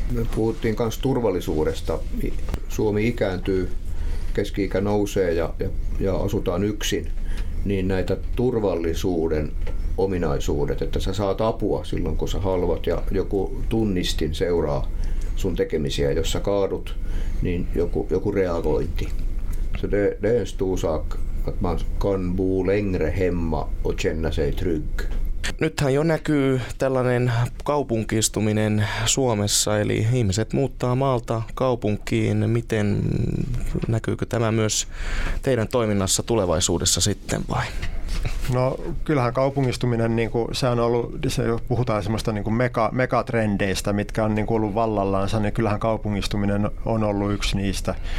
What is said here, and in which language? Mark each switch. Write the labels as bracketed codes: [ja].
[fi] Me puhuttiin myös turvallisuudesta. Suomi ikääntyy, keski-ikä nousee ja asutaan yksin. Niin näitä turvallisuuden ominaisuudet, että sä saat apua silloin, kun sä haluat ja joku tunnistin seuraa sun tekemisiä, jos sä kaadut, niin joku reagointi. [sv] Så det är en stor sak. Att man kan bo längre hemma och känna sig trygg. [fi] Nythän jo näkyy tällainen kaupunkistuminen Suomessa, eli ihmiset muuttaa maalta kaupunkiin. Miten näkyykö tämä myös teidän toiminnassa tulevaisuudessa sitten vai? No kyllähän kaupungistuminen, niin kuin, se on ollut, se puhutaan semmoista niin kuin megatrendeistä, mitkä on niin kuin ollut vallallaansa, niin kyllähän kaupungistuminen on ollut yksi niistä.